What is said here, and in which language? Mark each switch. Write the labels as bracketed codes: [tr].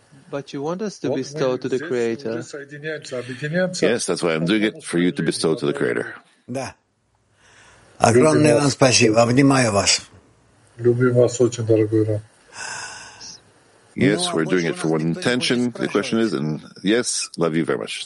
[en] But you want us to bestow to the Creator. Yes, that's why I'm doing it, for you to bestow to the Creator. [ru] Да. Огромное вам спасибо. Обнимаю вас. Любим вас очень, дорогой Рав. [en] Yes, we're doing it for one intention. The question is, and yes, love you very much.